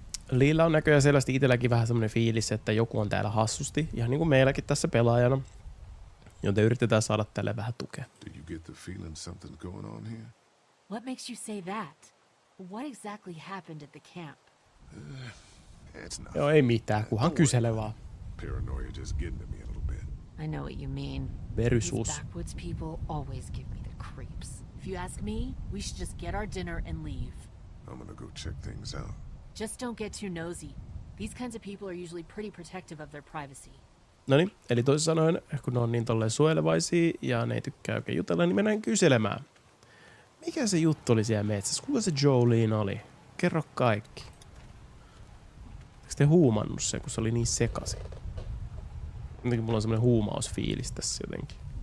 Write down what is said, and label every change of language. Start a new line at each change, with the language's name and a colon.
Finnish: Liillä on näköjään selvästi itselläkin vähän semmoinen fiilis, että joku on täällä hassusti, ihan niin kuin meilläkin tässä pelaajana, joten yritetään saada tälle vähän tukea.
English: Do you get the feeling something going on here? What makes you say that? What exactly happened at the camp? It's not.
Finnish: Joo, ei mitään, kunhan kysele vaan.
English: Paranoia just getting to me a little bit. I know what you mean.
Finnish: Verisuus.
English: These backwoods people always give me the creeps. If you ask me, we should just get our dinner and leave. I'm gonna go check things out. Just don't get too nosy. These kinds of people are usually pretty protective of their privacy.
Finnish: No niin, eli toisin sanoen, kun ne on niin tolleen suojelevaisia ja ne ei tykkää oikein jutella, niin mennään kyselemään. Mikä se juttu oli siellä metsässä? Kuka se Jolene oli? Kerro kaikki. Eikö te huumannut sen, kun se oli niin sekasi? Jotenkin mulla on semmoinen huumausfiilis tässä jotenkin.